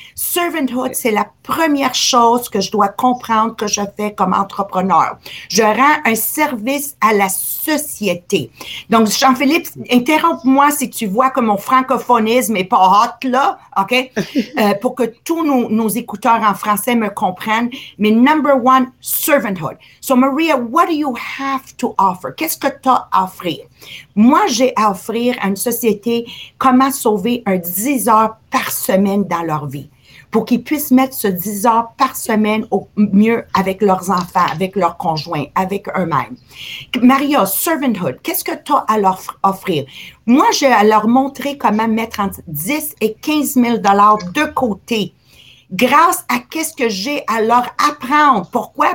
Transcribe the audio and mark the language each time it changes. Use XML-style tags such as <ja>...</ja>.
<fr>Servanthood, c'est la première chose que je dois comprendre que je fais comme entrepreneur. Je rends un service à la société. Donc, Jean-Philippe, interromps-moi si tu vois que mon francophonisme est pas hot, là, OK? Pour que tous nos écouteurs en français me comprennent. Mais number one, servanthood.</fr> <en>So, Maria, what do you have to offer?</en> <fr>Qu'est-ce que tu as à offrir? Moi, j'ai à offrir à une société comment sauver un 10 heures par semaine dans leur vie pour qu'ils puissent mettre ce 10 heures par semaine au mieux avec leurs enfants, avec leurs conjoints, avec eux-mêmes. Maria, servanthood, qu'est-ce que tu as à leur offrir? Moi, j'ai à leur montrer comment mettre entre 10 et 15 000 $ de côté grâce à qu'est-ce que j'ai à leur apprendre. Pourquoi?</fr>